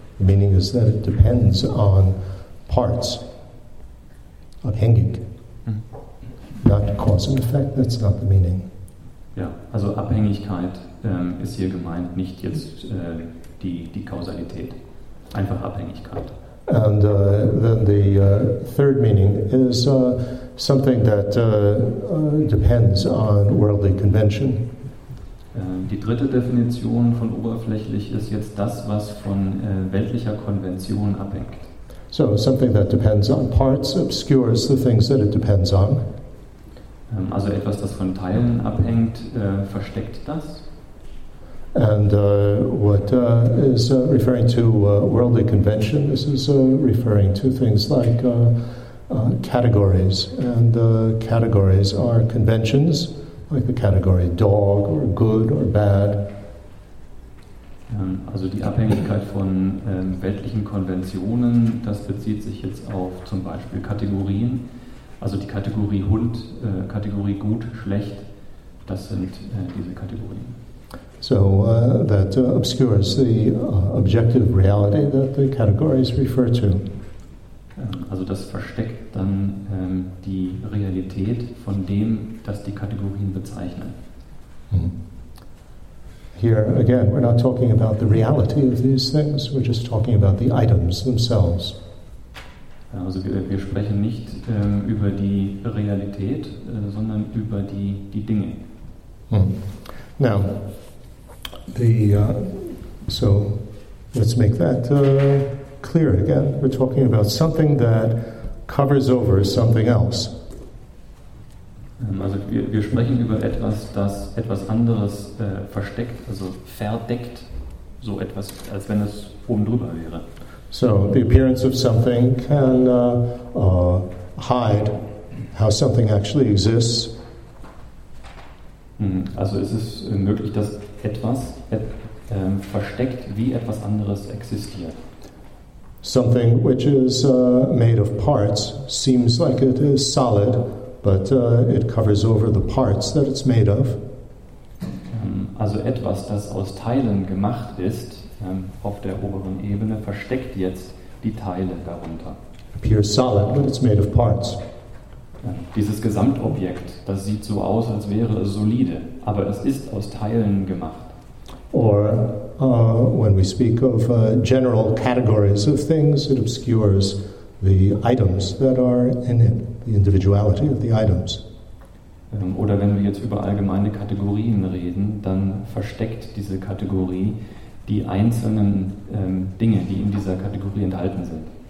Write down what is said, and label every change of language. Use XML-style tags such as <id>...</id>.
<en>The meaning is that it depends on parts.</en> <de>Abhängig.</de> <en>Hmm. Not cause and effect, that's not the meaning.</en> <de>Ja, also Abhängigkeit ist hier gemeint, nicht jetzt die Kausalität. Einfach Abhängigkeit.</de> <en>And then the third meaning is something that depends on worldly convention.</en> <de>Die dritte Definition von oberflächlich ist jetzt das, was von weltlicher Konvention abhängt.</de> <en>So, something that depends on parts obscures the things that it depends on.</en> <de>Also etwas, das von Teilen abhängt, versteckt das.</de> <en>And what is referring to worldly convention, this is referring to things like categories. And categories are conventions, like the category dog or good or bad.</en> <de>Also die Abhängigkeit von weltlichen Konventionen, das bezieht sich jetzt auf zum Beispiel Kategorien. Also die Kategorie Hund, Kategorie gut, schlecht, das sind diese Kategorien.</de> <en>So that obscures the objective reality that the categories refer to.</en> <de>Also das versteckt dann die Realität von dem, das die Kategorien bezeichnen. Mm-hmm.</de> <en>Here again, we're not talking about the reality of these things, we're just talking about the items themselves.</en> <de>Also wir sprechen nicht über die Realität, sondern über die Dinge.</de> <en>Mm-hmm. Now, so let's make that clear again. We're talking about something that covers over something else.</en> <de>Also wir sprechen über etwas, das etwas anderes versteckt, also verdeckt, so etwas, als wenn es oben drüber wäre.</de> <en>So the appearance of something can hide how something actually exists.</en> <de>Also es ist möglich, dass etwas versteckt, wie etwas anderes existiert.</de> <en>Something which is made of parts seems like it is solid, but it covers over the parts that it's made of.</en> <de>also etwas, das aus Teilen gemacht ist, auf der oberen Ebene, versteckt jetzt die Teile darunter.</de> <en>Appears solid, but it's made of parts.</en> <de>Dieses Gesamtobjekt, das sieht so aus, als wäre es solide, aber es ist aus Teilen gemacht.</de> <en>Or when we speak of general categories of things, it obscures the items that are in it, the individuality of the items.</en> <de>Oder wenn wir jetzt über allgemeine Kategorien reden, dann versteckt diese Kategorie die einzelnen Dinge, die in dieser Kategorie enthalten sind.</de>